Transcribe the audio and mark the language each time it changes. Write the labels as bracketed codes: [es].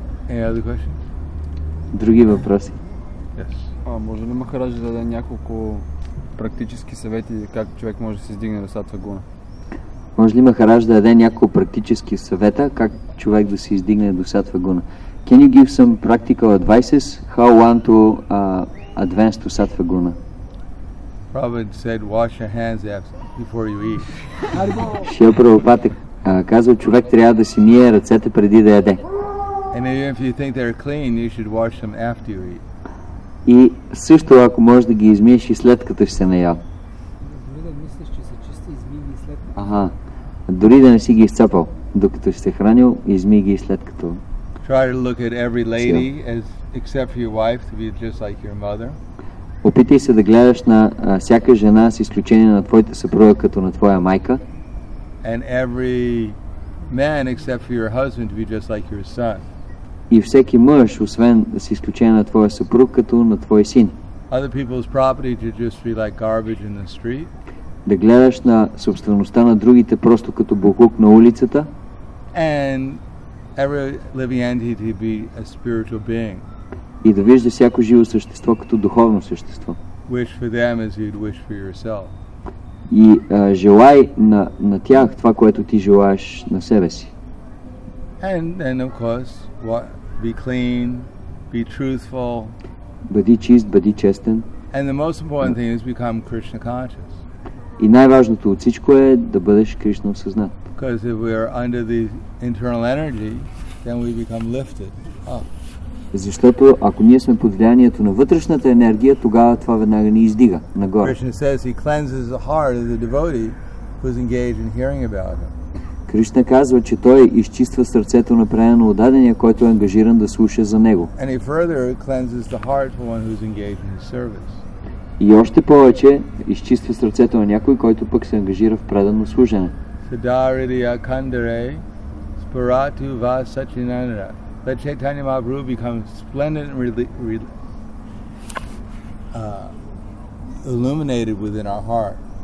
[en] Any other questions? [bg] Други въпроси. [en] Yes. [bg] А може ли Махарадж да даде няколко практически съвети как човек може да се издигне до сатва гуна? Може ли Махарадж да даде няколко практически съвета как човек да се издигне до сатва гуна? [en] Can you give some practical advices how one to advance to сатва гуна? Prabhupada said wash your hands before you eat. [bg] Шрила Прабхупада казва, човек трябва да си мие ръцете преди да яде. [en] And even if you think they're clean, you should wash them after you eat. [bg] И също ако можеш да ги измиеш и след като си се наял. Дори да мислиш, че са чисти, изми ги след като. Ага. Дори да не си ги изцапал, докато си се хранил, изми ги след като. [en] Try to look at every lady as except for your wife to be just like your mother. [bg] Опитай се да гледаш на всяка жена с изключение на твоята съпруга като на твоя майка. [en] And every man except for your husband to be just like your son. [bg] И всеки мъж, освен с изключение на твоя съпруг, като на твой син. [en] Other people's property to just be like garbage in the street. [bg] Да гледаш на собствеността на другите просто като боклук на улицата. [en] And every living entity to be a spiritual being. [bg] И да вижда всяко живо същество като духовно същество. [en] Wish for them as you'd wish for yourself. [bg] И желай на, на тях това, което ти желаеш на себе си. [en] And of course, what, be clean, be truthful. [bg] Бъди чист, бъди честен. [en] And the most important thing is become Krishna conscious. [bg] И най-важното от всичко е да бъдеш Кришна осъзнат. [en] Because if we are under the internal energy, then we become lifted up. [bg] Защото ако ние сме под влиянието на вътрешната енергия, тогава това веднага ни издига нагоре. [en] Krishna says he cleanses the heart of the devotee who's engaged in hearing about him. [bg] Кришна казва, че той изчиства сърцето на преданно отдадения, който е ангажиран да слуша за него. [en] And he further cleanses the heart for one who's engaged in his service. [bg] И още повече изчиства сърцето на някой, който пък се ангажира в предано служене. [sa] Siddharidya kandare sparatu vasachinanara. [en] Let Chaitanya Mahaprabhu become splendid and illuminated within our heart.